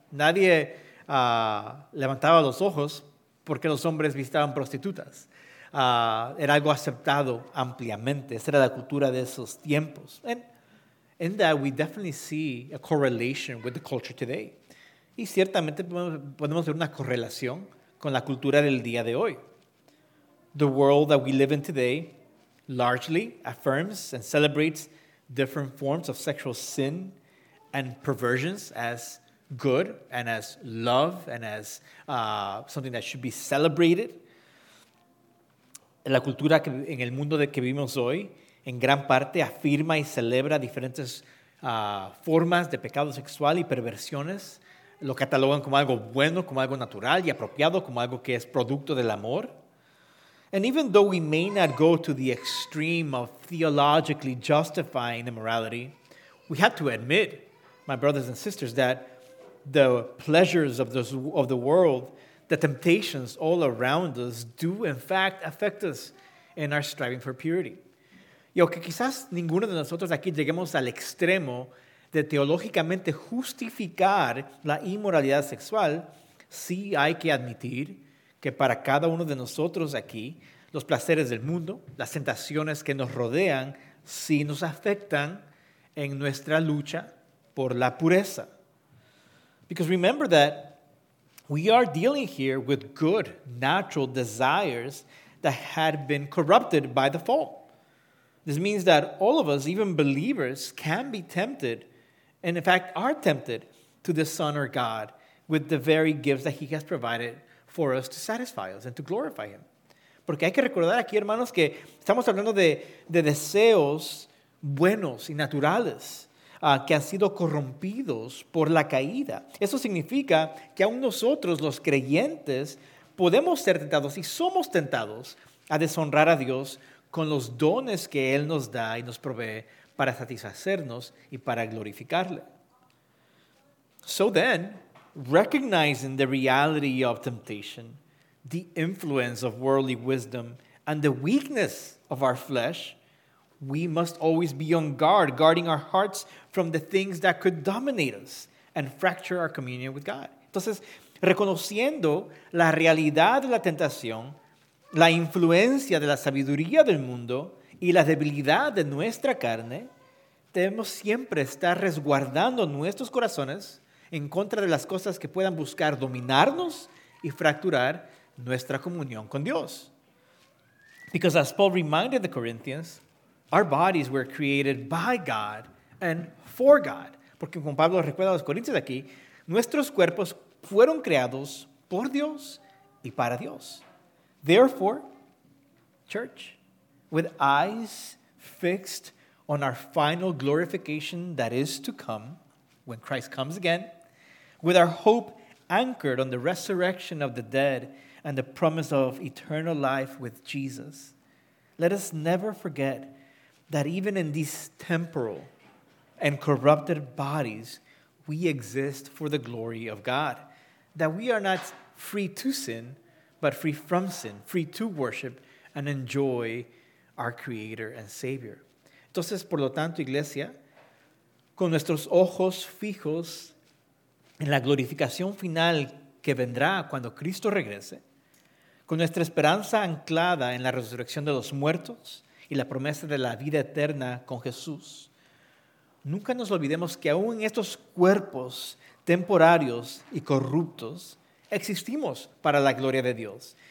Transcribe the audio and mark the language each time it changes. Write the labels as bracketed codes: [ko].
[es] Nadie levantaba los ojos porque los hombres visitaban prostitutas. Era algo aceptado ampliamente. Esa era la cultura de esos tiempos. [en] And in that we definitely see a correlation with the culture today. [es] Y ciertamente podemos ver una correlación con la cultura del día de hoy. [en] The world that we live in today largely affirms and celebrates different forms of sexual sin and perversions as good and as love and as something that should be celebrated. [es] La cultura que, en el mundo de que vivimos hoy en gran parte afirma y celebra diferentes formas de pecado sexual y perversiones. Lo catalogan como algo bueno, como algo natural y apropiado, como algo que es producto del amor. [en] And even though we may not go to the extreme of theologically justifying immorality, we have to admit, my brothers and sisters, that the pleasures of the world, the temptations all around us, do in fact affect us in our striving for purity. [es] Y aunque quizás ninguno de nosotros aquí lleguemos al extremo de teológicamente justificar la inmoralidad sexual, sí hay que admitir que para cada uno de nosotros aquí, los placeres del mundo, las tentaciones que nos rodean, sí nos afectan en nuestra lucha por la pureza. [en] Because remember that we are dealing here with good, natural desires that had been corrupted by the fall. This means that all of us, even believers, can be tempted, and in fact are tempted, to dishonor God with the very gifts that he has provided for us to satisfy us and to glorify him. [es] Porque hay que recordar aquí, hermanos, que estamos hablando de deseos buenos y naturales que han sido corrompidos por la caída. Eso significa que aún nosotros, los creyentes, podemos ser tentados y somos tentados a deshonrar a Dios con los dones que él nos da y nos provee para satisfacernos y para glorificarle. [en] So then, recognizing the reality of temptation, the influence of worldly wisdom, and the weakness of our flesh, we must always be on guard, guarding our hearts from the things that could dominate us and fracture our communion with God. [es] Entonces, reconociendo la realidad de la tentación, la influencia de la sabiduría del mundo y la debilidad de nuestra carne, debemos siempre estar resguardando nuestros corazones en contra de las cosas que puedan buscar dominarnos y fracturar nuestra comunión con Dios. [en] Because as Paul reminded the Corinthians, our bodies were created by God and for God. [es] Porque como Pablo recuerda a los Corintios aquí, nuestros cuerpos fueron creados por Dios y para Dios. [en] Therefore, church, with eyes fixed on our final glorification that is to come when Christ comes again, with our hope anchored on the resurrection of the dead and the promise of eternal life with Jesus, let us never forget that even in these temporal and corrupted bodies, we exist for the glory of God, that we are not free to sin, but free from sin, free to worship and enjoy our Creator and Savior. [es] Entonces, por lo tanto, iglesia, con nuestros ojos fijos en la glorificación final que vendrá cuando Cristo regrese, con nuestra esperanza anclada en la resurrección de los muertos y la promesa de la vida eterna con Jesús, nunca nos olvidemos que aún en estos cuerpos temporarios y corruptos existimos para la gloria de Dios.